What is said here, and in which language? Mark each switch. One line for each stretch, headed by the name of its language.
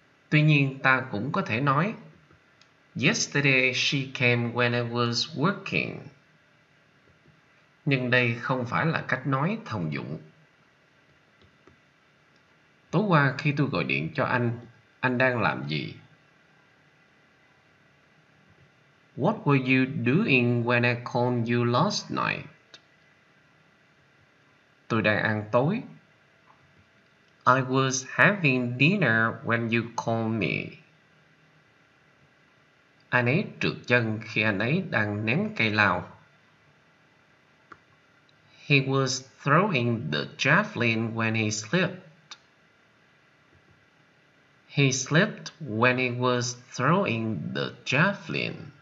Vietnamese: Tuy nhiên, ta cũng có thể nói,
English: yesterday she came when I was working.
Vietnamese: Nhưng đây không phải là cách nói thông dụng. Tối qua khi tôi gọi điện cho anh đang làm gì?
English: What were you doing when I called you last night?
Vietnamese: Tôi đang ăn tối.
English: I was having dinner when you called me.
Vietnamese: Anh ấy trượt chân khi anh ấy đang ném cây lao.
English: He was throwing the javelin when he slipped. He slipped when he was throwing the javelin.